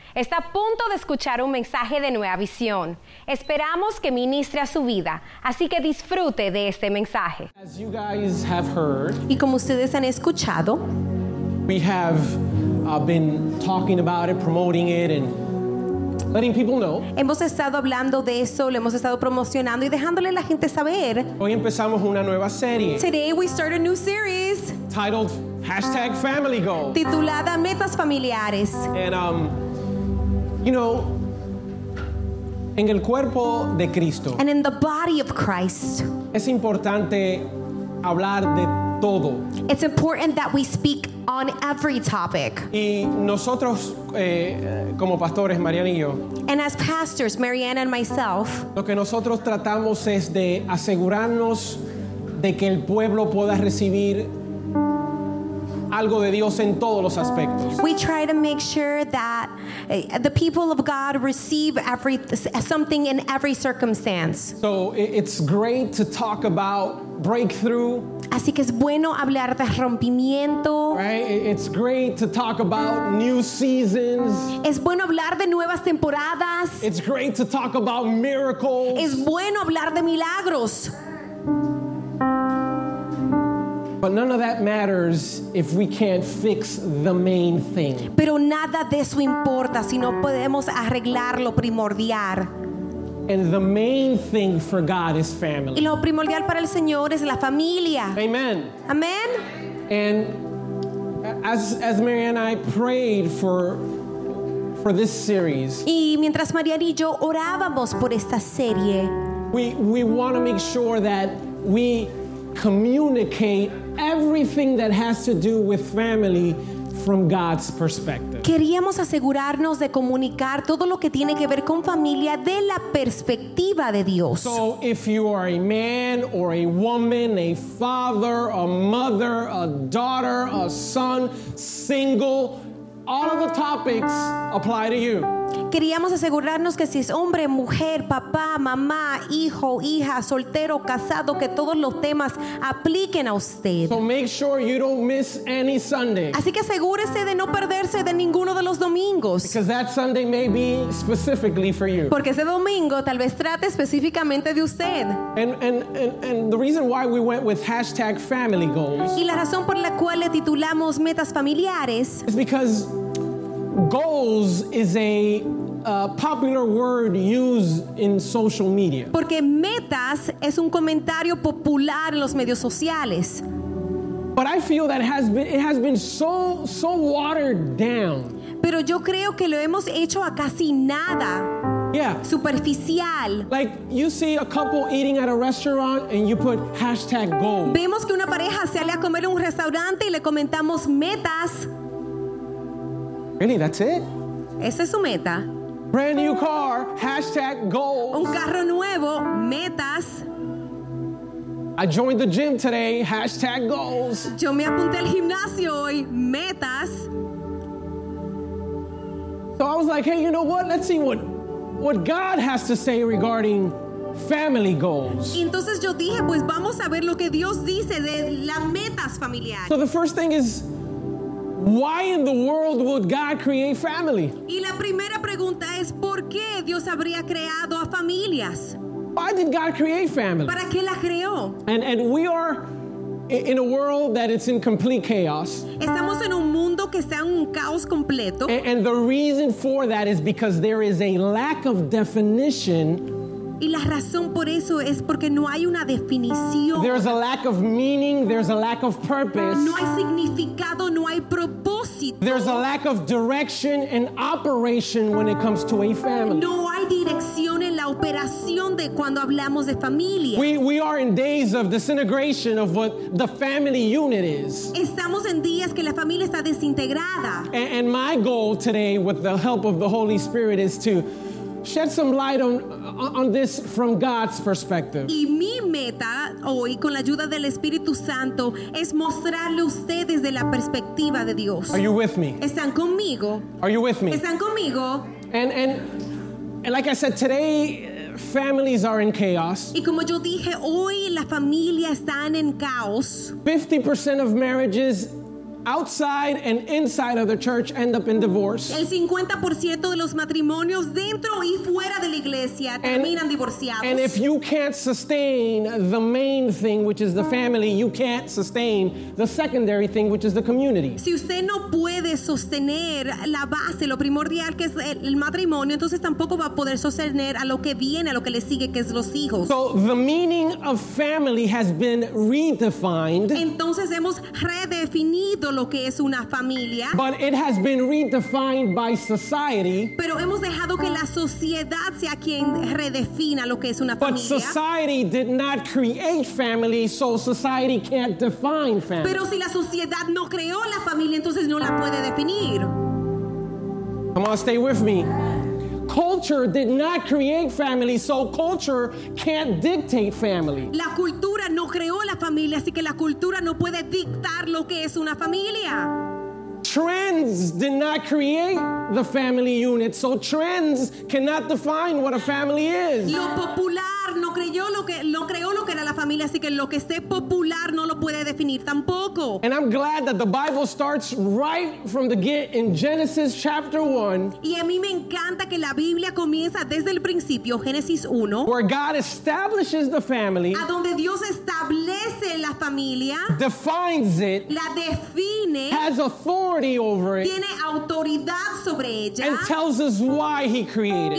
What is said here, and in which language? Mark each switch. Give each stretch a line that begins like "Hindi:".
Spanish: Está a punto de escuchar un mensaje de Nueva Visión. Esperamos que ministre a su vida, así que disfrute de este mensaje.
English: As you guys have heard,
Spanish: y como ustedes han escuchado,
English: we have been talking about it, promoting it, and letting people know.
Spanish: Hemos estado hablando de eso, lo hemos estado promocionando y dejándole a la gente saber. Hoy empezamos una nueva serie.
English: Today we start a new series. Titled #FamilyGoals.
Spanish: Titulada Metas Familiares.
English: And you know,
Spanish: en el cuerpo de Cristo.
English: And in the body of Christ.
Spanish: Es importante hablar de todo.
English: It's important that we speak on every topic.
Spanish: Y nosotros, como pastores, Mariana y yo,
English: and as pastors, Mariana and myself,
Spanish: lo que nosotros tratamos es de asegurarnos de que el pueblo pueda recibir algo de Dios en todos los aspectos.
English: We try to make sure that the people of God receive something in every circumstance. So it's great to talk about breakthrough.
Spanish: Así que es bueno hablar de rompimiento.
English: Right? It's great to talk about new seasons.
Spanish: Es bueno hablar de nuevas temporadas.
English: It's great to talk about miracles.
Spanish: Es bueno hablar de milagros.
English: But none of that matters if we can't fix the main thing.
Spanish: Pero nada de eso importa si no podemos arreglar lo primordial.
English: And the main thing for God is family.
Spanish: Y lo primordial para el Señor es la familia.
English: Amen.
Spanish: Amen.
English: And as Marianne and I prayed for this series.
Spanish: Y mientras Marianne y yo orábamos por esta serie.
English: We want to make sure that we communicate everything that has to do with family from God's perspective.
Spanish: Queríamos asegurarnos de comunicar todo lo que tiene que ver con familia de la perspectiva de Dios.
English: So if you are a man or a woman, a father, a mother, a daughter, a son, single, all of the topics apply to you.
Spanish: Queríamos asegurarnos que si es hombre, mujer, papá, mamá, hijo, hija, soltero, casado, que todos los temas apliquen a usted.
English: So make sure you don't miss any Sunday.
Spanish: Así que asegúrese de no perderse de ninguno de los domingos.
English: Because that Sunday may be specifically for you.
Spanish: Porque ese domingo tal vez trate específicamente de usted.
English: And the reason why we went with #FamilyGoals.
Spanish: Y la razón por la cual le titulamos Metas Familiares.
English: Is because goals is a popular word used in social media.
Spanish: Porque metas es un comentario popular en los medios sociales.
English: But I feel that it has been so watered down.
Spanish: Pero yo creo que lo hemos hecho a casi nada.
English: Yeah.
Spanish: Superficial.
English: Like you see a couple eating at a restaurant and you put #goals.
Spanish: Vemos que una pareja sale a comer en un restaurante y le comentamos metas.
English: Really, that's it?
Spanish: Esa es su meta.
English: Brand new car, #goals.
Spanish: Un carro nuevo, metas.
English: I joined the gym today, #goals.
Spanish: Yo me apunté al gimnasio hoy, metas.
English: So I was like, hey, you know what? Let's see what God has to say regarding family goals.
Spanish: Y entonces yo dije, pues vamos a ver lo que Dios dice de las metas familiares.
English: So the first thing is, why in the world would God create family?
Spanish: Y la primera pregunta es, ¿por qué Dios habría creado a familias?
English: Why did God create family?
Spanish: ¿Para qué la creó?
English: And we are in a world that it's in complete chaos.
Spanish: Estamos en un mundo que está en un caos completo.
English: And the reason for that is because there is a lack of definition.
Spanish: Y la razón por eso es porque no hay una definición.
English: There's a lack of meaning, there's a lack of purpose.
Spanish: No hay significado, no hay propósito.
English: There's a lack of direction and operation when it comes to a family.
Spanish: No hay dirección en la operación de cuando hablamos de familia.
English: We are in days of disintegration of what the family unit is.
Spanish: Estamos en días que la familia está desintegrada.
English: And my goal today with the help of the Holy Spirit is to shed some light on this from God's perspective.
Spanish: Y mi meta hoy con la ayuda del Espíritu Santo es mostrarle a usted desde la perspectiva de Dios.
English: Are you with me?
Spanish: ¿Están conmigo?
English: Are you with me?
Spanish: ¿Están conmigo?
English: And like I said, today families are in chaos.
Spanish: Y como yo dije, hoy las familias están en caos.
English: 50% of marriages outside and inside of the church end up in divorce.
Spanish: El 50% de los matrimonios dentro y fuera de la iglesia terminan divorciados.
English: And if you can't sustain the main thing, which is the family, you can't sustain the secondary thing, which is the community.
Spanish: Si usted no puede sostener la base, lo primordial que es el matrimonio, entonces tampoco va a poder sostener a lo que viene, a lo que le sigue, que es los hijos.
English: So the meaning of family has been redefined.
Spanish: Entonces hemos redefinido lo que es una familia.
English: But it has been redefined by society.
Spanish: Pero hemos dejado que la sociedad sea quien redefina lo que es una familia.
English: But society did not create family, so society can't define family.
Spanish: Pero si la sociedad no creó la familia, entonces no la puede definir.
English: Come on, stay with me. Culture did not create family, so culture can't dictate family.
Spanish: La cultura no creó la familia, así que la cultura no puede dictar lo que es una familia.
English: Trends did not create the family unit, so trends cannot define what a family is.
Spanish: Lo popular no creó lo que era la familia, así que lo que esté popular no lo puede definir tampoco.
English: And I'm glad that the Bible starts right from the get in Genesis chapter 1.
Spanish: Y a mí me encanta que la Biblia comienza desde el principio, Génesis 1.
English: Where God establishes the family.
Spanish: A donde Dios establece la familia.
English: Defines it.
Spanish: La define.
English: Has authority over it.
Spanish: Tiene autoridad sobre ella.
English: And tells us why he created it.